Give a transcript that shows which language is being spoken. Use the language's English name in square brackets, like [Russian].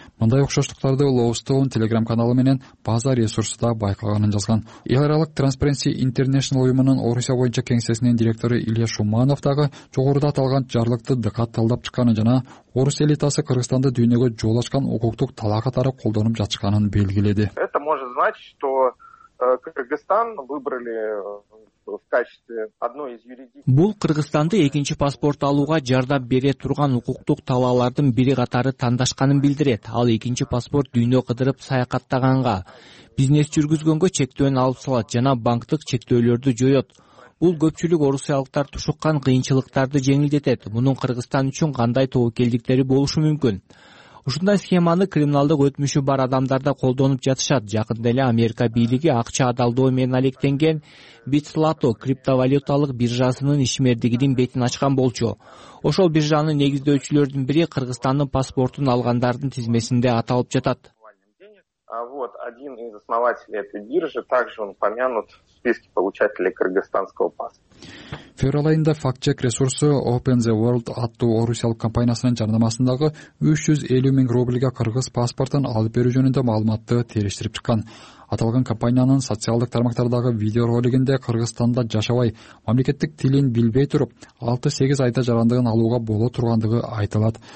[Kyrgyz] Мындай окшоштуктарды Lowstone Telegram каналы менен база ресурсунда байкаганын жазган. Эл аралык Transparency International уюмунун Орусия боюнча кеңсесинин директору Илья Шуманов дагы жогоруда аталган жарлыкты дыкат талдап чыкканын жана орус элитасы Кыргызстанды дүйнөгө жол ачкан укуктук талаа катары колдонуп жатышканын белгиледи. [Russian] Это может значить, что Кыргызстан выбрали в качестве одной из юридических. [Kyrgyz] Бул Кыргызстанды экинчи паспорт алууга жардам бере турган укуктук талаалардын бири катары тандашканын билдирет. Ал экинчи паспорт дүйнө кыдырып саякаттаганга, бизнес жүргүзгөнгө чектөөнү алып салат жана банктык чектөөлөрдү жоёт. Бул көпчүлүк орусиялыктар тушуккан кыйынчылыктарды жеңилдетет. Мунун Кыргызстан үчүн кандай тобокелдиктери болушу мүмкүн? Ушундай схеманы криминалдык өтмүшү бар адамдар да колдонуп жатышат. Жакында эле Америка бийлиги акча адалдоо менен алектенген Bitslato криптовалюталык биржасынын ишмердигинин бетин ачкан болчу. Ошол биржанын негиздөөчүлөрдүн бири Кыргызстандын паспортун алгандардын тизмесинде аталып жатат. [Russian] Вот один из основателей этой биржи, также он упомянут в списке получателей кыргызстанского паспорта. [Kyrgyz] Феврал айында фактчек ресурсу Open the World аттуу орусиялык компаниясынын жарнамасындагы 350 000 рубльга кыргыз паспортун алып берүү жөнүндө маалыматты териштирип чыккан. Аталган компаниянын социалдык тармактардагы видеоролигинде Кыргызстанда жашабай, мамлекеттик тилин билбей туруп, 6-8 айда жарандыгын алууга боло тургандыгы айтылат.